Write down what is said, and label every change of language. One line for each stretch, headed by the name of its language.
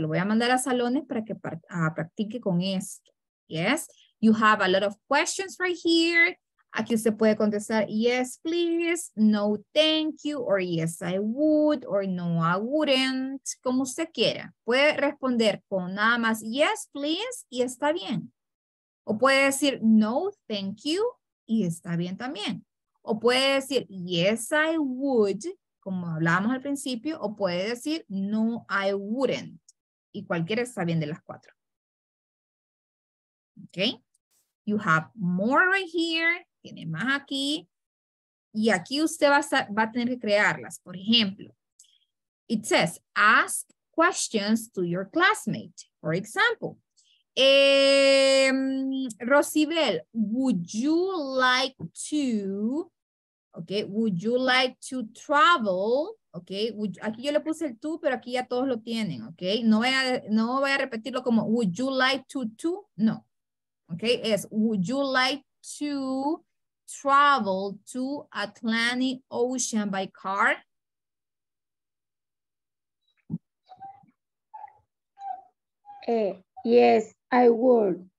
Spanish: Lo voy a mandar a salones para que practique con esto.
English: Yes, you have a lot of questions right here.
Spanish: Aquí usted puede contestar,
English: yes, please, no, thank you, or yes, I would, or no, I wouldn't.
Spanish: Como usted quiera. Puede responder con nada más,
English: yes, please,
Spanish: y está bien. O puede decir,
English: no, thank you,
Spanish: y está bien también. O puede decir,
English: yes, I would,
Spanish: como hablábamos al principio. O puede decir,
English: no, I wouldn't.
Spanish: Y cualquiera está bien de las cuatro.
English: Okay. You have more right here.
Spanish: tiene más aquí. Y aquí usted va a tener que crearlas. Por ejemplo,
English: it says, ask questions to your classmate. For example, Rosibel, would you like to, okay, would you like to travel?
Spanish: Okay, aquí yo le puse el to, pero aquí ya todos lo tienen, okay? No voy a repetirlo como
English: would you like to,
Spanish: no.
English: Okay, es would you like to travel to Atlantic Ocean by car? Yes, I would.